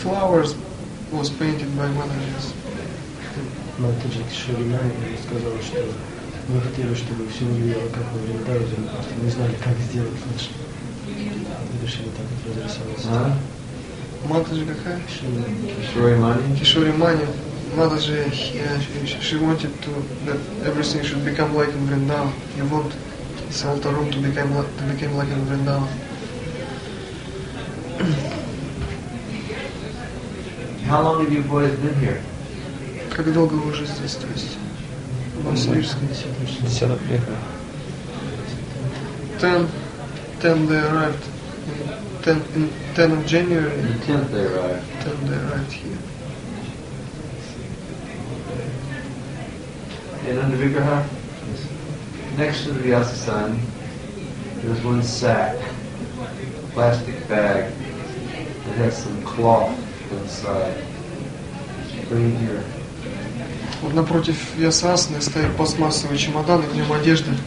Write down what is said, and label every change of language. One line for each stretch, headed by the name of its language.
English: Flowers was painted by Matajis.
Russian: Матаджи Кишаринай сказал, что мы хотели, чтобы все увидели, как мы рентаем, просто не знали, как сделать лучше. И решили так вот разрисоваться. Матаджи какая? Кишаринай. Кишаринай.
English: Матаджи, she wanted to, that everything should become like in Vrindavan. You want this altar room to become like in Vrindavan. How long have you boys been here?
Russian: Как долго вы уже здесь, то есть? В Новосибирске. Сюда приехали.
English: Ten they arrived. In ten of January. The 10th they arrived. 10 they arrived here. And under Vigraha, next to the Vyasa San, there was one sack, a plastic bag, that has some cloth inside. Bring here.
Russian: Вот напротив Ясасны стоит пластмассовый чемодан, и в нем одежда.